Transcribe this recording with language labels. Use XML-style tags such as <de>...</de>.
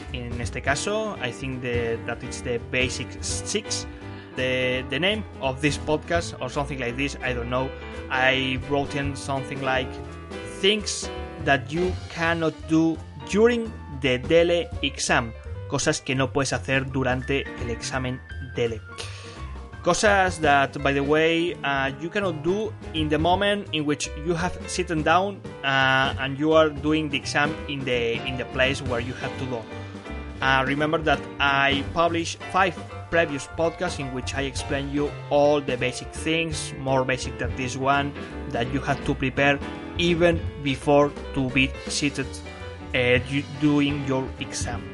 <en>In</en> <es>este caso,</es> <en>I think that it's the basic six. The name of this podcast or something like this, I don't know. I wrote in something like things that you cannot do during the DELE exam.</en> <es>Cosas que no puedes hacer durante el examen DELE.</es> <en>Cosas that, by the way, you cannot do in the moment in which you have sitten down and you are doing the exam in the place where you have to go. Remember that I published 5 previous podcasts in which I explain you all the basic things, more basic than this one, that you have to prepare even before to be seated doing your exam.</en>